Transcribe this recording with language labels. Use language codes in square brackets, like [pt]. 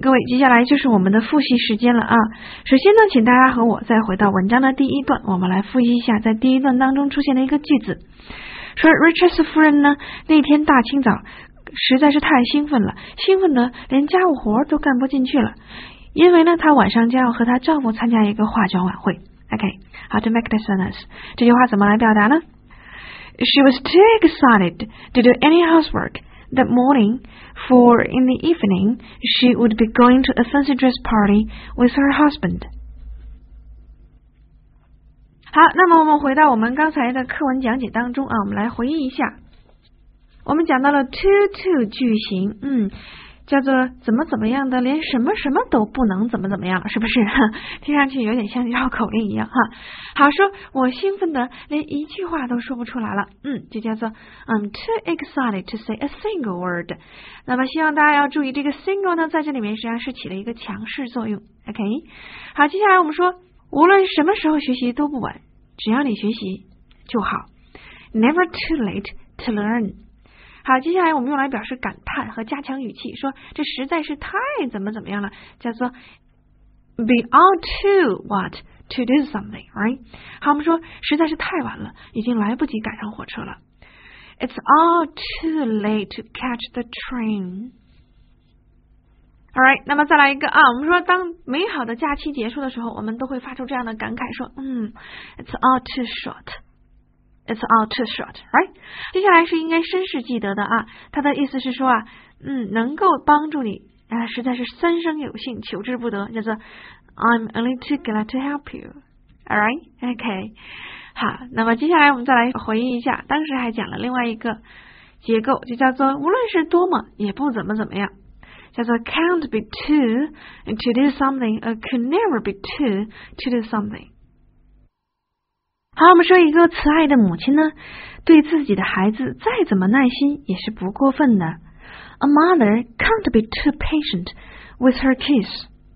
[zh] 各位，接下来就是我们的复习时间了啊。首先呢，请大家和我再回到文章的第一段，我们来复习一下在第一段当中出现的一个句子。说 Richard's 夫人呢，那天大清早实在是太兴奋了，兴奋得连家务活都干不进去了。因为呢，她晚上将要和她丈夫参加一个化妆晚会。 [en] Okay, how to make the sentence? [zh] 这句话怎么来表达呢？ [en] She was too excited to do any housework that morning, for in the evening, she would be going to a fancy dress party with her husband. [zh] 好，那么我们回到我们刚才的课文讲解当中啊，我们来回忆一下。我们讲到了 to 句型，叫做怎么怎么样的，连什么什么都不能怎么怎么样，是不是？听上去有点像绕口令一样哈。好，说我兴奋的连一句话都说不出来了，就叫做 [en] I'm too excited to say a single word。 [zh] 那么希望大家要注意，这个 single 呢，在这里面实际上是起了一个强势作用。 OK， 好，接下来我们说，无论什么时候学习都不晚，只要你学习就好。 [en] Never too late to learn。 [zh] 好，接下来我们用来表示感叹和加强语气，说这实在是太怎么怎么样了，叫做 [en] beyond too what to do something, right? [zh] 好，我们说实在是太晚了，已经来不及赶上火车了。 [en] It's all too late to catch the train. [zh] All right, 那么再来一个啊，我们说当美好的假期结束的时候，我们都会发出这样的感慨，说 [en] It's all too short. It's all too short, right? [zh] 接下来是应该深适记得的啊，它的意思是说啊，能够帮助你啊，实在是三生有幸，求之不得，叫做 [en] I'm only too glad to help you, all right? [zh] Okay, 好，那么接下来我们再来回忆一下，当时还讲了另外一个结构，就叫做无论是多么也不怎么怎么样，叫做 [en] can't be too to do something or could never be too to do something. [zh] 好，我们说一个慈爱的母亲呢，对自己的孩子再怎么耐心也是不过分的。 [en] A mother can't be too patient with her kids.